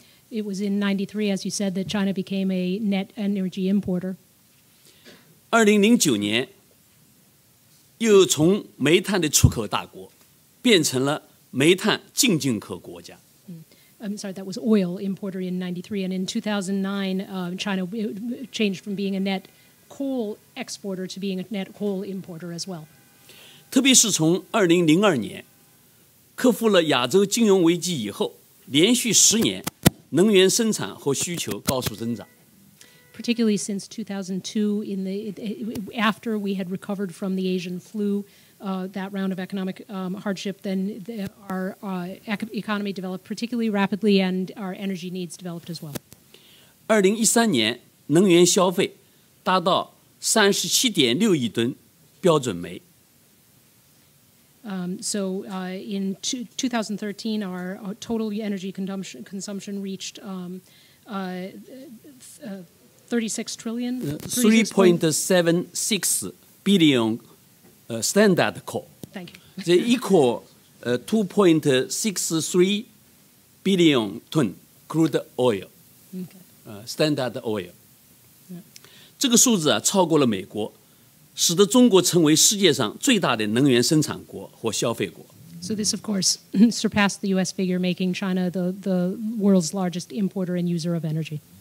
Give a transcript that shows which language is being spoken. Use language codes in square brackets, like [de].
[en] It was in 93, as you said, that China became a net energy importer. [zh] 2009年, 又从煤炭的出口大国, 变成了煤炭净进口国家。 [en] I'm sorry, that was oil importer in 93. And in 2009, China changed from being a net coal exporter to being a net coal importer as well. [zh] 特别是从2002年, 克服了亚洲金融危机以后, 连续10年, 能源生产和需求高速增长。 [en] Particularly since 2002, after we had recovered from the Asian flu, that round of economic hardship, then our economy developed particularly rapidly and our energy needs developed as well. [zh] 2013年, 能源消费达到37.6亿吨, 标准煤。 [en] So in 2013, our total energy consumption reached 36 trillion. 3.76 billion standard coal. Thank you. They equal 2.63 billion ton crude oil, okay. Standard oil. Yeah. [zh] 这个数字啊，超过了美国。使得中国成为世界上最大的能源生产国或消费国。 [en] So this, of course, surpassed the U.S. figure, making China the world's largest importer and user of energy.